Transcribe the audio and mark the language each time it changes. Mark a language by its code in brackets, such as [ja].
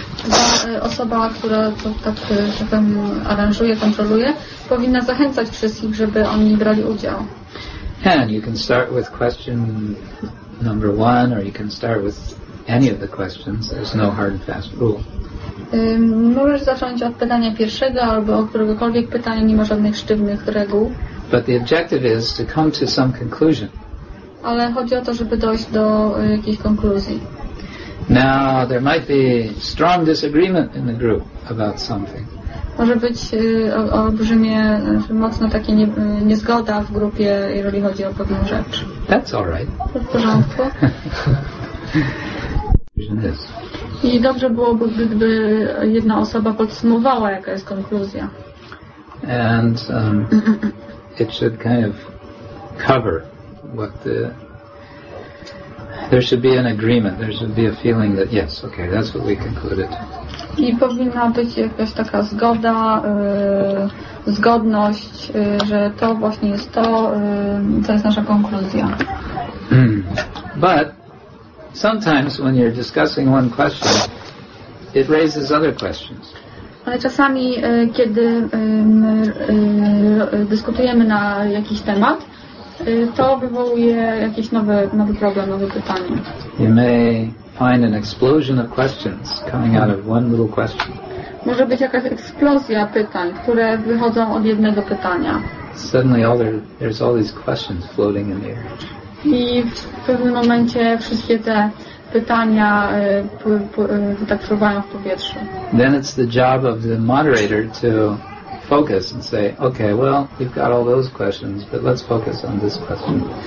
[pl] Ta osoba, która to tak potem aranżuje, kontroluje, powinna zachęcać wszystkich, żeby oni brali udział. [en] And you can start with question number one, or you can start with any of the questions. There's no hard and fast rule. [pl] Możesz zacząć od pytania pierwszego albo od któregokolwiek pytania, nie ma żadnych sztywnych reguł. [en] But the objective is to come to some conclusion. [pl] Ale chodzi o to, żeby dojść do jakiejś konkluzji. [en] Now there might be strong disagreement in the group about something. [pl] Może być olbrzymie, mocno takie niezgoda w grupie, jeżeli chodzi o pewną rzecz. [en] That's all right. [pl] W porządku. I dobrze byłoby, gdyby jedna osoba podsumowała, jaka jest konkluzja. [en] And it should kind of cover what the... There should be an agreement. There should be a feeling that yes, okay, that's what we concluded. [pl] I powinna być jakaś taka zgoda, zgodność, że to właśnie jest to, co jest nasza konkluzja. [en] But sometimes when you're discussing one question, it raises other questions. [pl] Ale czasami, kiedy my dyskutujemy na jakiś temat, to wywołuje jakiś nowy problem, nowe pytanie. [en] You may find an explosion of questions coming out of one little question. [pl] Może być jakaś eksplozja pytań, które wychodzą od jednego pytania. [en] Suddenly there's all these questions floating in the air. [pl] I w pewnym momencie wszystkie te pytania tak fruwają w powietrzu. [en] Then it's the job of the moderator to focus and say, okay, well, we've got all those questions, but let's focus on this question.